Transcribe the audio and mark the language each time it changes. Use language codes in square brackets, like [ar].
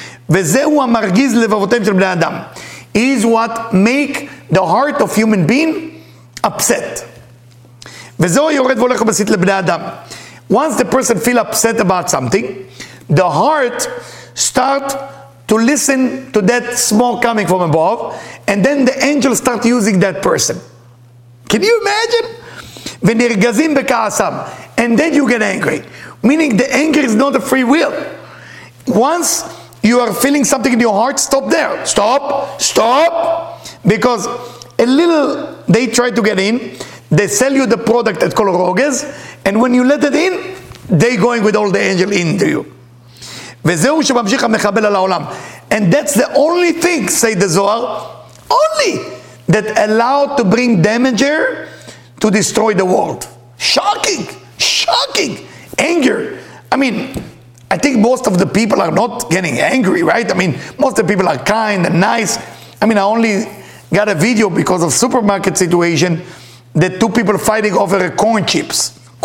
[he] וזהו המרגיז לבבותם של בני אדם. [en] Is what make the heart of human being upset. [he] וזהו יורד והולך ומסית לבני אדם. [en] Once the person feel upset about something, the heart start to listen to that smoke coming from above, and then the angel start using that person. Can you imagine? [he] ונרגזים בכעסם. [en] And then you get angry. Meaning the anger is not a free will. Once you are feeling something in your heart, stop there. Stop. Because a little, they try to get in. They sell you the product at Kol Roges. And when you let it in, they going with all the angel into you. [he] וזהו שממשיך המחבל על העולם. [en] And that's the only thing, say the Zohar, only that allowed to bring damager to destroy the world. Shocking. Anger. I mean, I think most of the people are not getting angry, right? I mean, most of the people are kind and nice. I mean, I only got a video because of supermarket situation that two people fighting over corn chips.